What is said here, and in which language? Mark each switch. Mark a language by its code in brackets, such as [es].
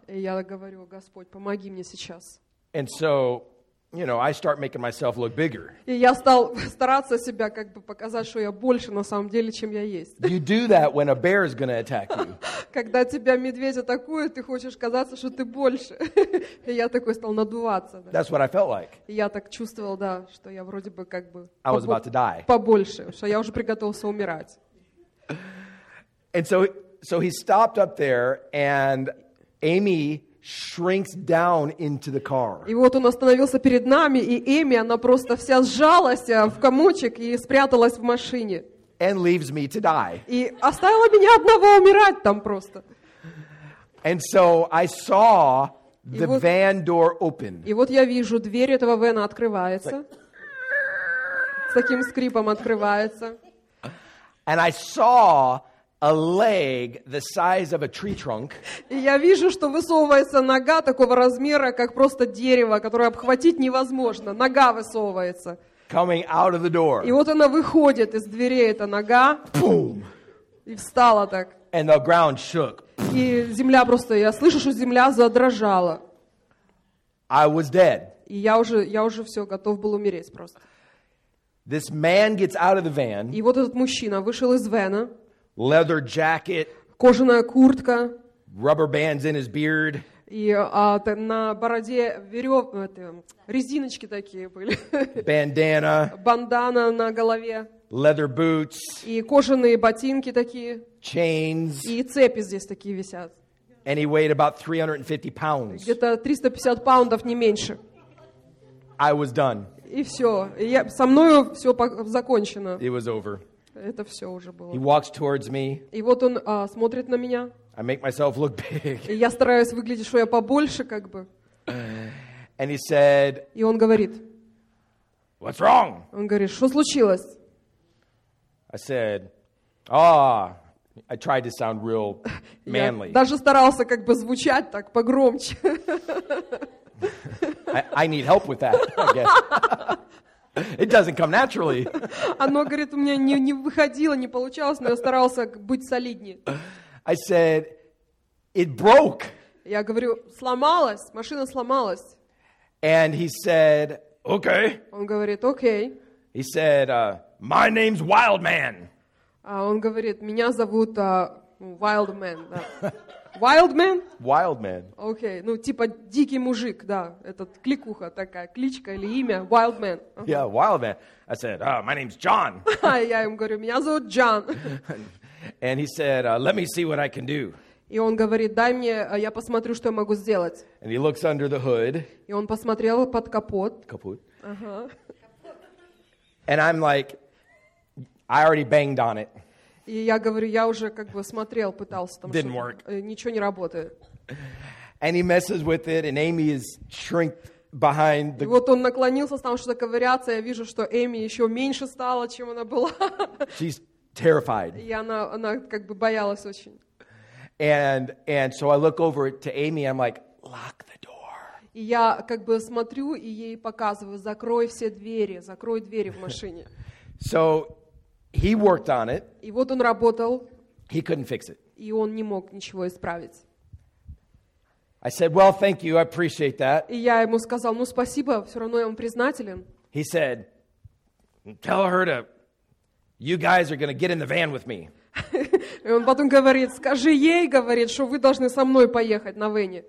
[ru] И я говорю, Господь, помоги мне сейчас. [en] And so, you know, I start making myself look bigger. [ru] И я стал стараться себя как бы показать, что я больше на самом деле, чем я есть. [en] You do that when a bear is going to attack you. [ru] Когда тебя медведь атакует, ты хочешь казаться, что ты больше. И я такой стал надуваться. Да. [en] That's what I felt like. [ru] И я так чувствовал, да, что я вроде бы как бы [en] I was about to die. [ru] Побольше, что я уже приготовился умирать. [en] And so he stopped up there, and Amy shrinks down into the car. [ru] И вот он остановился перед нами, и Эми, она просто вся сжалась в комочек и спряталась в машине. [en] And leaves me to die. [ru] И оставила меня одного умирать там просто. [en] And so I saw the van door open. [ru] И вот я вижу, дверь этого вэна открывается. С таким скрипом открывается. [en] And I saw a leg the size of a tree trunk. [ru] И я вижу, что высовывается нога такого размера, как просто дерево, которое обхватить невозможно. Нога высовывается. [en] Coming out of the door. [ru] И вот она выходит из двери, эта нога. [en] Boom. [ru] И встала так. [en] And the ground shook. [ru] И земля просто, я слышу, что земля задрожала. [en] I was dead. [ru] И я уже все, готов был умереть просто. [en] This man gets out of the van. [ru] И вот этот мужчина вышел из вена. [en] Leather jacket. [ru] Кожаная куртка. [en] Rubber bands in his beard. [ru] И на бороде резиночки такие были. [en] Bandana. [ru] Бандана на голове. [en] Leather boots. [ru] И кожаные ботинки такие. [en] Chains. [ru] И цепи здесь такие висят. [en] And he weighed about 350 pounds. [ru] Где-то 350 паундов, не меньше. [en] I was done. [ru] И все. Со мною все закончено. [en] It was over. [ru] Это все уже было. [en] He walks towards me. [ru] И вот он смотрит на меня. [en] I make myself look big. [ru] И я стараюсь выглядеть, что я побольше, как бы. [en] And he said, [ru] и он говорит, [en] what's wrong? [ru] Он говорит, что случилось? [en] I said, ah, I tried to sound real manly. [ru] Я даже старался как бы звучать так погромче. [en] I need help with that, I guess. It doesn't come naturally. [ru] Оно, говорит, у меня не выходило, не получалось, но я старался быть солиднее. [en] I said, it broke. [ru] Я говорю, сломалась, машина сломалась. [en] And he said, okay. [ru] Он говорит, окей. [en] He said, my name's Wildman. [ru] Он говорит, меня зовут Wildman. Да. Wildman? Wildman. Окей, ну типа дикий мужик, да. Этот кликуха такая, кличка или имя, Wildman. [en] Uh-huh. Yeah, Wildman. I said, my name's John. [ru] Я ему говорю, меня зовут Джон. [en] And he said, let me see what I can do. [ru] И он говорит, дай мне, я посмотрю, что я могу сделать. [en] And he looks under the hood. [ru] И он посмотрел под капот. Капот. [en] Uh-huh. And I'm like, I already banged on it. [ru] И я говорю, я уже как бы смотрел, пытался там. [en] Didn't work. [ru] Ничего не работает. [en] And he messes with it, and Amy is shrunk behind the. [ru] И вот он наклонился, стал что-то ковыряться, я вижу, что Эми еще меньше стала, чем она была. [en] She's terrified. [ru] И она как бы боялась очень. [en] And so I look over to Amy, I'm like, lock the door. [ru] И я как бы смотрю и ей показываю, закрой все двери, закрой двери в машине. [en] So he worked on it. [ru] И вот он работал. [en] He couldn't fix it. [ru] И он не мог ничего исправить. [en] I said, well, thank you, I appreciate that. [ru] И я ему сказал, ну спасибо, все равно я вам признателен. [en] He said, tell her to. You guys are gonna get in the van with me. [ru] И он потом говорит, скажи ей, говорит, что вы должны со мной поехать на вене.